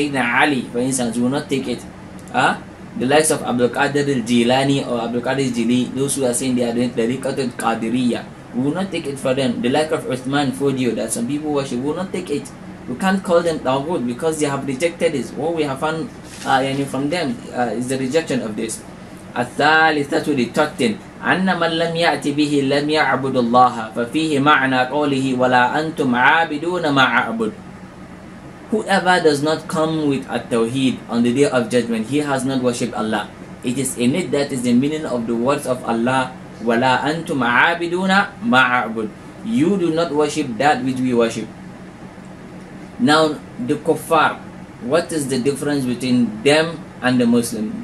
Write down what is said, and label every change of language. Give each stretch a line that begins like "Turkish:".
English: Sayyidina Ali, for instance, will not take it. The likes of Abdul Qadir al-Jilani or Abdul Qadir al-Jili, those who are saying they are doing tariqatul Qadiriyya, we will not take it for them. The like of Uthman Fodio that some people worship, we will not take it. We can't call them Tawud because they have rejected this. What we have found from them is the rejection of this.
Arabic: الثالثة لتقتن أن من لم يأتي به لم يعبد الله ففيه معنى قوله ولا أنتم عابدون ما أعبد.
English: Whoever does not come with a tawheed on the day of judgment, he has not worshipped Allah. It is in it that is the meaning of the words of Allah, ولا أنتم عابدون ما أعبد. You do not worship that which we worship. Now the kuffar, what is the difference between them and the Muslim?